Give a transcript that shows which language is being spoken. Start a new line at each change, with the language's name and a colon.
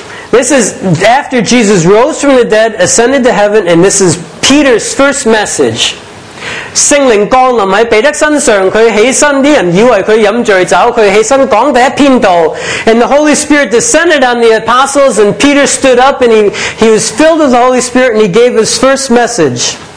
English: This is after Jesus rose from the dead, ascended to heaven, and this is Peter's first message.
Chinese: 圣灵降临在彼得身上，他起身，那些人以为他喝醉酒，他起身讲第一篇道。
English: And the Holy Spirit descended on the apostles, and Peter stood up, and he was filled with the Holy Spirit, and he gave his first message.